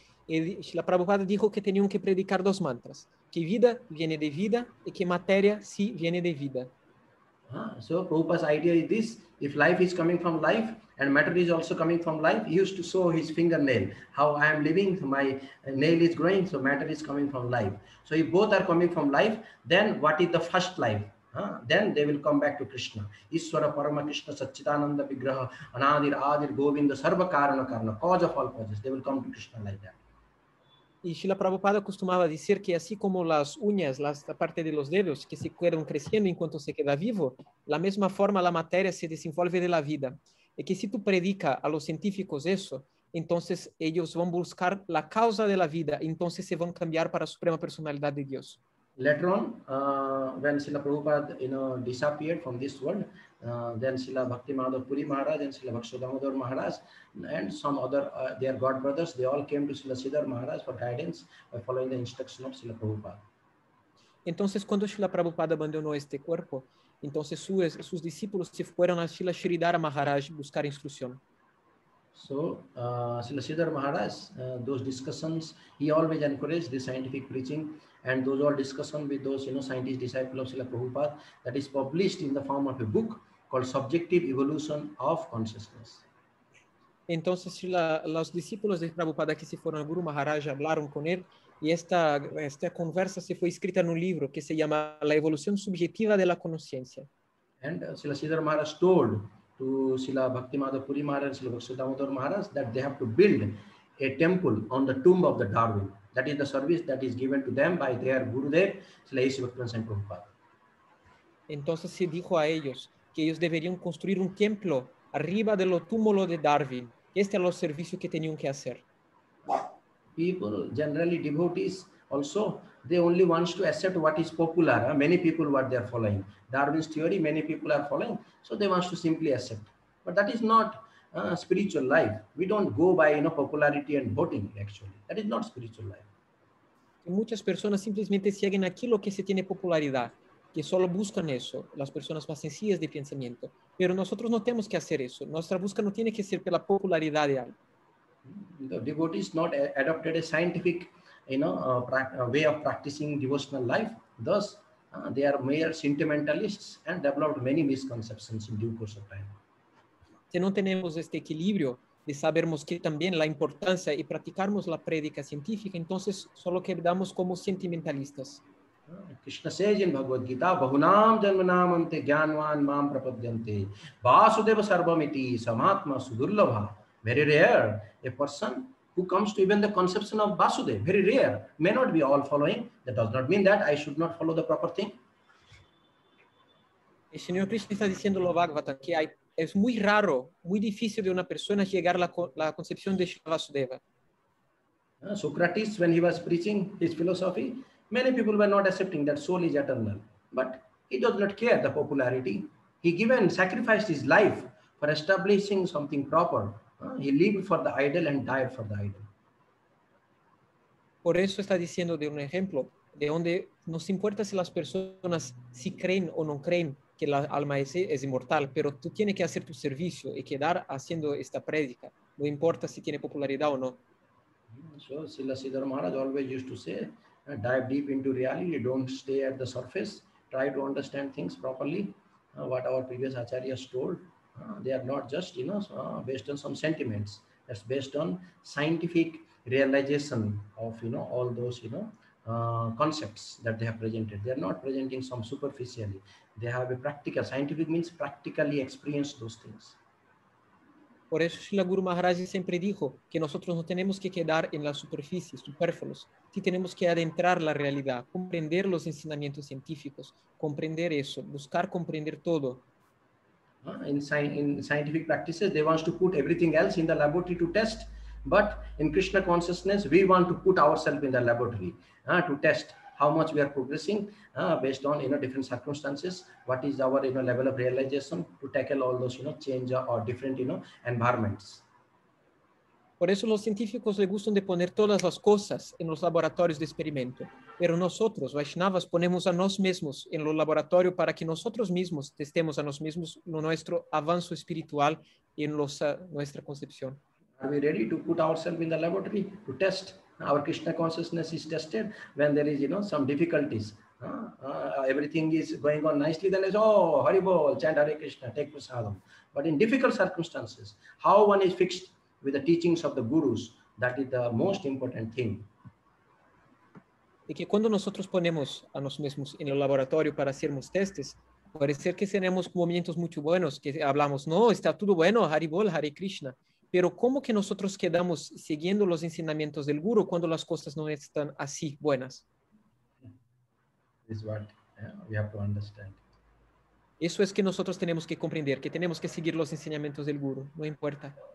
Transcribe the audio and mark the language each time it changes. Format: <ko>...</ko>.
<es>Srila Prabhupada dijo que tenían que predicar dos mantras. Que vida viene de vida y que materia sí viene de vida.</es> <en>So Prabhupada's idea is this. If life is coming from life and matter is also coming from life, he used to show his fingernail. How I am living, so my nail is growing, so matter is coming from life. So if both are coming from life, then what is the first life? Then they will come back to Krishna.</en> <sa>Ishwara Parama Krishna Satchitananda Vigraha Anadir Adir Govinda Sarva Karana Karana,</sa> <en>cause of all causes. They will come to Krishna like that.</en> <es>Y Srila Prabhupada costumaba decir que así como las uñas, la parte de los dedos, que se quedan creciendo enquanto se queda vivo, la misma forma la materia se desenvolve de la vida. Y que si tú predica a los científicos eso, entonces ellos van a buscar la causa de la vida, entonces se van a cambiar para la Suprema Personalidad de Dios.</es> <en>Later on, when Srila Prabhupada, you know, disappeared from this world, then Srila Bhakti Madhav Puri Maharaj and Srila Bhaktisiddhanta Damodar Maharaj and some other, their god brothers, they all came to Srila Sridhar Maharaj for guidance by following the instruction of Srila Prabhupada.</en> <es>Entonces, cuando Srila Prabhupada abandonó este cuerpo, entonces sus discípulos se fueron a Srila Sridhar Maharaj buscar instrucción.</es> <en>So, Srila Sridhar Maharaj, those discussions, he always encouraged the scientific preaching. And those all discussion with those, you know, scientist disciple of Srila Prabhupada that is published in the form of a book called Subjective Evolution of Consciousness.</en> <es>Entonces, los discípulos de Prabhupada que se fueron a Guru Maharaj hablaron con él y esta conversa se fue escrita en un libro que se llama La Evolución Subjetiva de la Conciencia.</es> <en>And Srila Sridhar Maharaj told to Srila Bhakti Madhav Puri Maharaj and Srila Bhaktisiddhanta Damodar Maharaj that they have to build a temple on the tomb of the Darwin. That is the service that is given to them by their Gurudev, Srila Isivakrana and Prabhupada.</en> <es>Entonces se dijo a ellos que ellos deberían construir un templo arriba de lo túmulo de Darwin. Este es el servicio que tenían que hacer.</es> <en>People, generally devotees, also they only wants to accept what is popular. Many people what they are following Darwin's theory, many people are following, so they wants to simply accept. But that is not spiritual life. We don't go by, you know, popularity and voting. Actually, that is not spiritual life.</en> <es>Y muchas personas simplemente siguen aquello que se tiene popularidad, que solo buscan eso, las personas más sencillas de pensamiento. Pero nosotros no tenemos que hacer eso. Nuestra búsqueda no tiene que ser por la popularidad de algo.</es> <en>The devotees not adopted a scientific, you know, way of practicing devotional life. Thus, they are mere sentimentalists and developed many misconceptions in due course of time.</en> <es>Si no tenemos este equilibrio de sabermos que también la importancia y practicarmos la prédica científica, entonces solo quedamos como sentimentalistas.</es> <en>Krishna says in Bhagavad Gita,</en> <sa>Bahunam janmanamante gyanvan mam prapadyante Vasudeva sarvamiti samatma sudurlabha.</sa> <en>Very rare, a person who comes to even the conception of Vasudeva, very rare, may not be all following. That does not mean that I should not follow the proper thing.</en> <es>El Señor Krishna está diciendo lo Bhagavatam, que hay, es muy raro, muy difícil de una persona llegar a la concepción de Vasudeva.</es> <en>Socrates, when he was preaching his philosophy, many people were not accepting that soul is eternal, but he does not care the popularity. He given, sacrificed his life for establishing something proper. He lived for the idol and died for the idol.</en> <es>Por eso está diciendo de un ejemplo de donde nos importa si las personas si creen o no creen que la alma es inmortal, pero tú tienes que hacer tu servicio y quedar haciendo esta prédica. No importa si tiene popularidad o no.</es> <en>So, Srila Sridhara Maharaj always used to say, dive deep into reality, don't stay at the surface, try to understand things properly. What our previous acharyas told, they are not just, you know, based on some sentiments. That's based on scientific realization of, you know, all those, you know, concepts that they have presented. They are not presenting some superficially. They have a practical, scientific means practically experience those things.</en> <es>Por eso Srila Guru Maharaj siempre dijo que nosotros no tenemos que quedar en la superficie, superfluos. Sí tenemos que adentrar la realidad, comprender los ensinamientos científicos, comprender eso, buscar comprender todo.</es> <en>In scientific practices, they want to put everything else in the laboratory to test. But in Krishna consciousness, we want to put ourselves in the laboratory to test how much we are progressing based on, you know, different circumstances. What is our, you know, level of realization to tackle all those, you know, change or different, you know, environments.</en> <es>Por eso los científicos les gustan de poner todas las cosas en los laboratorios de experimento. Pero nosotros, Vaishnavas, ponemos a nos mismos en el laboratorio para que nosotros mismos testemos a nos mismos en nuestro avance espiritual y en nuestra concepción.</es> <en>Are we ready to put ourselves in the laboratory to test? Our Krishna consciousness is tested when there is, you know, some difficulties. Everything is going on nicely, then it's, oh, Hari Bol, chant Hare Krishna, take prasadam. But in difficult circumstances, how one is fixed with the teachings of the gurus, that is the most important thing.</en> <es>Y que cuando nosotros ponemos a nosotros mismos en el laboratorio para hacernos testes, puede ser que tenemos momentos muy buenos, que hablamos, no, está todo bueno, Hari Bol, Hare Krishna. Pero ¿cómo que nosotros quedamos siguiendo los ensinamientos del Guru cuando las cosas no están así buenas?</es> <en>This is what, yeah, we have to understand.</en> <es>Eso es que nosotros tenemos que comprender, que tenemos que seguir los ensinamientos del Guru, no importa.</es>